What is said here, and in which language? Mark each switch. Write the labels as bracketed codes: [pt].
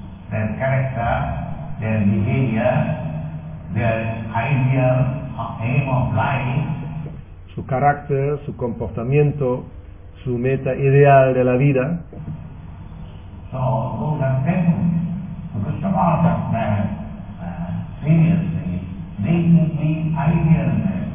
[en] Their character, their behavior, their ideal aim of life. [es] Su carácter, su comportamiento, su meta ideal de la vida. [en] So those are things which Krishna wants us to seriously, deeply, ideally.